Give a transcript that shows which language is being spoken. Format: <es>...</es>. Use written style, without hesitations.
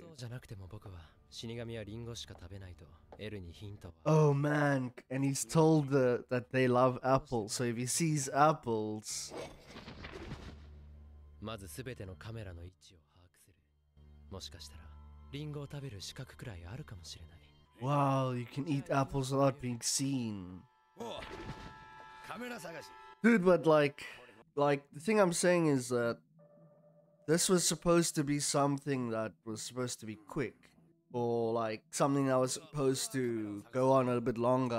<ja>そうじゃなくても僕は死神はリンゴしか食べないとエルにヒント。</ja> <en>Oh man, and he's told that they love apples. So if he sees apples,</en> <ja>まずすべてのカメラの位置を。もしかしたらリンゴを食べる資格くらいあるかもしれない。</ja> <en>Wow, you can eat apples without being seen.</en> <ja>カメラ探し。</ja> <en>Dude, but like the thing I'm saying is that this was supposed to be something that was supposed to be quick, or like something that was supposed to go on a little bit longer.</en>